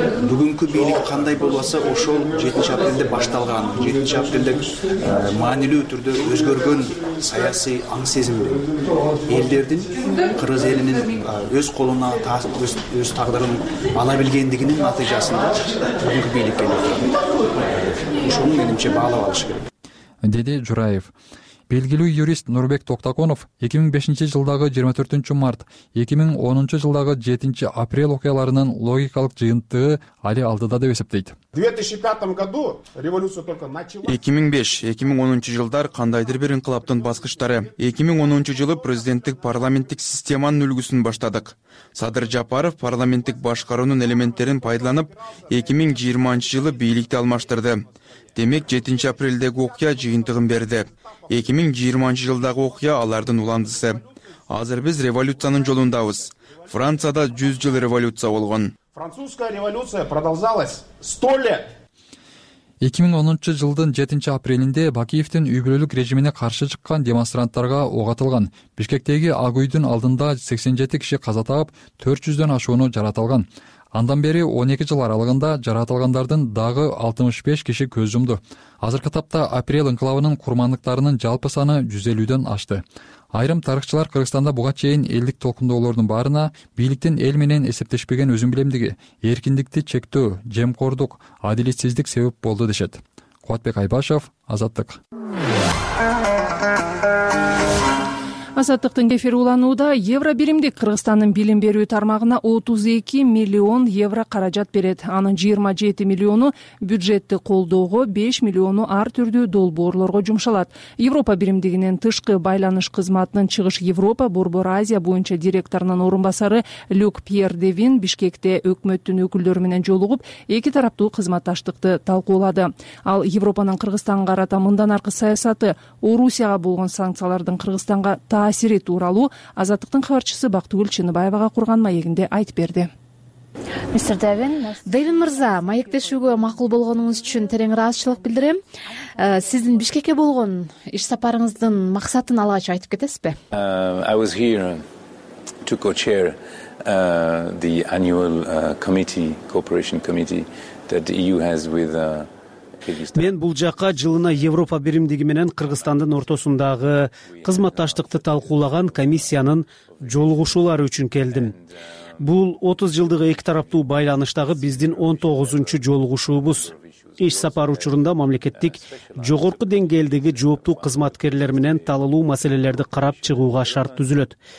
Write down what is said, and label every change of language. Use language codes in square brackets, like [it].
[ky] Бүгүнкү бийлик кандай болбосо, ошол 7 апрелде башталган, 7 апрелде маанилүү түрдө өзгөргөн саясий аң сезимди элдердин, кыргыз элинин өз колуна өз тагдырын ала билгендигинин натыйжасында бүгүнкү бийлик келип атат. Ошону менимче баалап алыш керек, деди Жураев. Белгилүү юрист Нурбек Токтоконов 2005-жылдагы 24 март, 2010-жылдагы 7 апрель окуяларынын логикалык жыйынтыгы али алдыда деп эсептейт. [ru] 2005 году революция только началась. [ky] 2005-2010 жылдар кандайдыр бир инкылаптын баскычтары. 2010-жылы президенттик парламенттик системанын үлгүсүн баштадык. Садыр Жапаров парламенттик башкаруунун элементтерин пайдаланып 2020-жылы бийликти алмаштырды. Демек 7 апрелдеги окуя жыйынтыгын берди. 2020-жылдагы окуя алардын уландысы. Азыр биз революциянын жолундабыз. Францияда 100 жыл революция болгон. [ru] Французская революция продолжалась 100 лет. [ky] 2010-жылдын 7 апрелинде Бакиевдин үй бүлөлүк режимине каршы чыккан демонстранттарга ок атылган. Бишкектеги Ак үйдүн алдында 87 киши каза таап, 400-дөн ашууну жараталган. Андан бери 12 жыл аралыгында жараталгандардын дагы 65 киши көз жумду. Азыркы тапта апрель инкылабынын курмандыктарынын жалпы саны 150-дөн ашты. Айрым тарыхчылар Кыргызстанда буга чейин элдик толкундоолордун баарына бийликтин эл менен эсептешпеген өзүмбилемдиги, эркиндикти чектөө, жемкордук, адилетсиздик себеп болду дешет. Кубатбек Айбашев, Азаттык. Азаттыктын эфир уланууда Евро биримдик Кыргызстандын билим берүү тармагына 32 миллион евро каражат берет. Анын 27 миллиону бюджетти колдоого, 5 миллиону ар түрдүү долбоорлорго жумшалат. Европа биримдигинин тышкы байланыш кызматынын чыгыш Европа, Борбор Азия боюнча директорунун орун басары Люк Пьер Девин Бишкекте өкмөттүн өкүлдөрү менен жолугуп, эки тараптуу кызматташтыкты талкуулады. Ал Европанын Кыргызстанга карата мындан аркы саясаты, Орусияга болгон санкциялардын Кыргызстанга таасири тууралуу Азаттыктын кабарчысы Бактыгүл Чыныбаевага курган маегинде айтып берди. Мистер Дэвин, Дэвин мырза, маектешүүгө макул болгонуңуз үчүн терең ыраазычылык билдирем. Сиздин Бишкекке болгон иш сапарыңыздын максатын алгач айтып кетесизби? [en] I was here to co-chair the annual committee, cooperation committee that the EU has with [ky] Мен бул жакка жылына Европа биримдиги менен Кыргызстандын ортосундагы кызматташтыкты талкуулаган комиссиянын жолугушуулары үчүн келдим. Бул 30 жылдык эки тараптуу байланыштагы биздин 19-чу жолугушуубуз. Иш сапар учурунда мамлекеттик жогорку деңгээлдеги жооптуу кызматкерлер менен талалуу маселелерди карап чыгууга шарт түзүлөт.